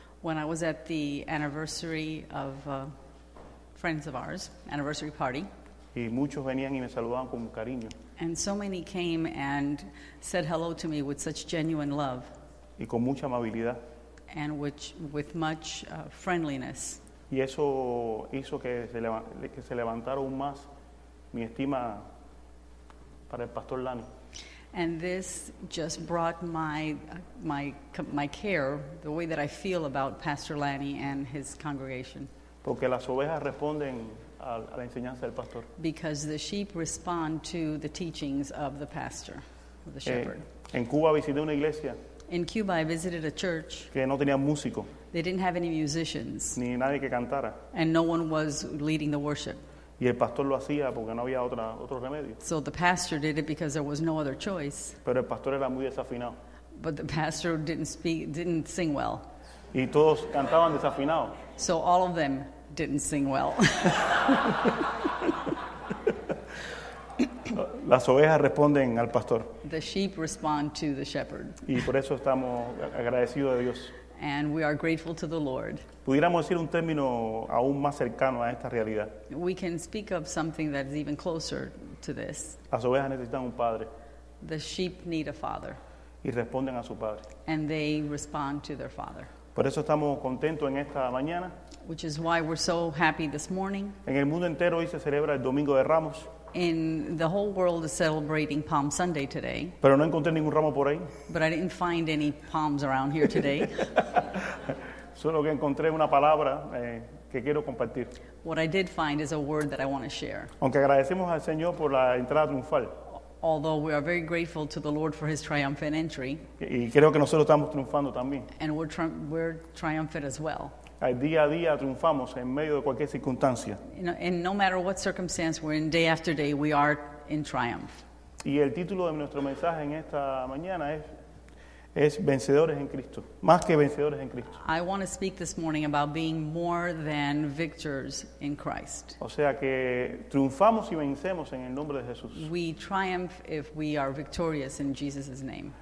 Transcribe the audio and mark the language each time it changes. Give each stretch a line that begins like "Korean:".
English: When I was at the anniversary of friends of ours, anniversary party.
Spanish: Y muchos venían y me saludaban con cariño.
English: And so many came and said hello to me with such genuine love.
Spanish: Y con mucha amabilidad.
English: And which, with much friendliness.
Spanish: Y eso hizo que se levantara aún más mi estima para el Pastor Lani.
English: And this just brought my care, the way that I feel about Pastor Lani and his congregation.
Spanish: Porque las ovejas responden a la enseñanza del pastor.
English: Because the sheep respond to the teachings of the pastor, the shepherd.
Spanish: En Cuba visité una iglesia.
English: In Cuba, I visited a church.
Spanish: Que no tenía músico.
English: They didn't have any musicians.
Spanish: Ni nadie que cantara.
English: And no one was leading the worship.
Spanish: Y el pastor lo hacía porque no había otro remedio.
English: So the pastor did it because there was no other choice.
Spanish: Pero el pastor era muy desafinado.
English: But the pastor didn't sing well.
Spanish: Y todos cantaban desafinado.
English: So all of them didn't sing well.
Spanish: Las ovejas responden al pastor.
English: The sheep respond to the shepherd.
Spanish: Y por eso estamos agradecidos de Dios.
English: And we are grateful to the Lord.
Spanish: Pudiéramos decir un término aún más cercano a esta realidad.
English: We can speak of something that is even closer to this.
Spanish: Las ovejas necesitan un padre.
English: The sheep need a father.
Spanish: Y responden a su padre.
English: And they respond to their father.
Spanish: Por eso estamos contentos en esta mañana.
English: Which is why we're so happy this morning.
Spanish: En el mundo entero hoy se celebra el Domingo de Ramos.
English: In the whole world is celebrating Palm Sunday today.
Spanish: Pero no encontré ningún ramo por ahí.
English: But I didn't find any palms around here today.
Spanish: Solo que encontré una palabra que quiero compartir.
English: What I did find is a word that I want to share.
Spanish: Aunque agradecemos al Señor por la entrada triunfal.
English: Although we are very grateful to the Lord for his triumphant entry.
Spanish: Y creo que nosotros estamos triunfando también.
English: And we're triumphant as well.
Spanish: Día a día triunfamos en medio de cualquier circunstancia.
English: And no matter what circumstance we're in, day after day, we are in triumph.
Spanish: Y el título de nuestro mensaje en esta mañana es vencedores en Cristo, más que vencedores en Cristo.
English: I want to speak this morning about being more than victors in Christ.
Spanish: O sea que triunfamos y vencemos en el nombre de Jesús.
English: We triumph if we are victorious in Jesus' name.